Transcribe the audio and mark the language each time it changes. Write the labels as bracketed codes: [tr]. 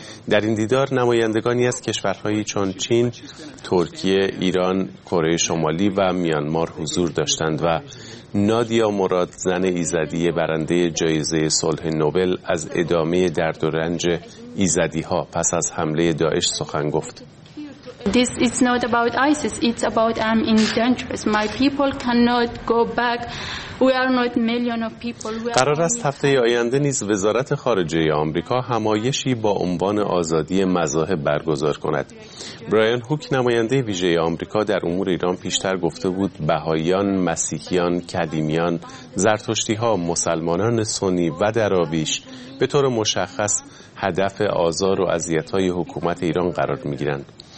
[fa] در این دیدار نمایندگانی از کشورهایی چون چین، ترکیه، ایران، کره شمالی و میانمار حضور داشتند و نادیا مراد زن ایزدی برنده جایزه صلح نوبل از ادامه درد و رنج ایزدی ها پس از حمله داعش سخن گفت. [en] This is not about ISIS, it's about I'm in danger. My people cannot go back. We are not millions of people. [fa] قرار است هفته آینده نیز وزارت خارجه آمریکا همایشی با عنوان آزادی مذاهب برگزار کند. برایان هوک نماینده ویژه آمریکا در امور ایران پیشتر گفته بود بهائیان، مسیحیان، کلیمیان، زرتشتی‌ها، مسلمانان سنی و دراویش به طور مشخص هدف آزار و اذیت‌های حکومت ایران قرار می‌گیرند.